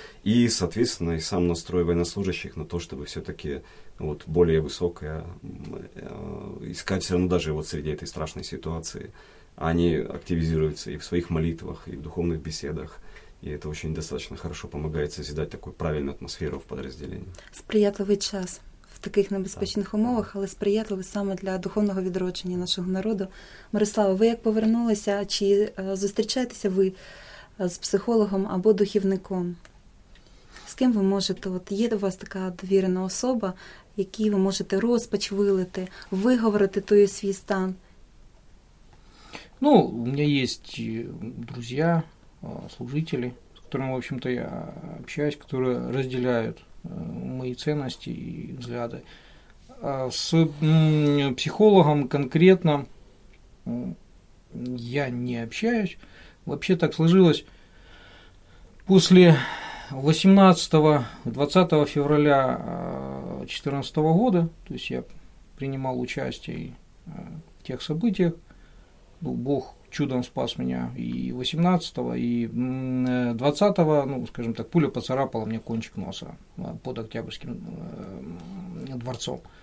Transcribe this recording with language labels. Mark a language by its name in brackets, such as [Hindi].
[Russian] И, соответственно, и сам настрой военнослужащих на то, чтобы все-таки вот, более высокое искать все равно даже вот среди этой страшной ситуации. Они активизируются и в своих молитвах, и в духовных беседах. И это очень достаточно хорошо помогает созидать такую правильную атмосферу в подразделении. [Ukrainian] Сприятливый час. В таких небезпечних умовах, але сприятливо саме для духовного відродження нашого народу. Мирославе, ви як повернулися, чи зустрічаєтеся ви з психологом або духовником? З ким ви можете, от є до вас така довірена особа, якій ви можете розпач вилити, виговорити той свій стан? Ну, у мене є друзі, служителі, з якими, [Russian] в общем-то, я общаюсь, [Ukrainian] які розділяють [Russian] мои ценности и взгляды. С психологом конкретно я не общаюсь. Вообще так сложилось. После 18-20 февраля 2014 года, то есть я принимал участие в тех событиях, ну, Бог чудом спас меня и 18-го, и 20-го, ну, скажем так, пуля поцарапала мне кончик носа под Октябрьским дворцом.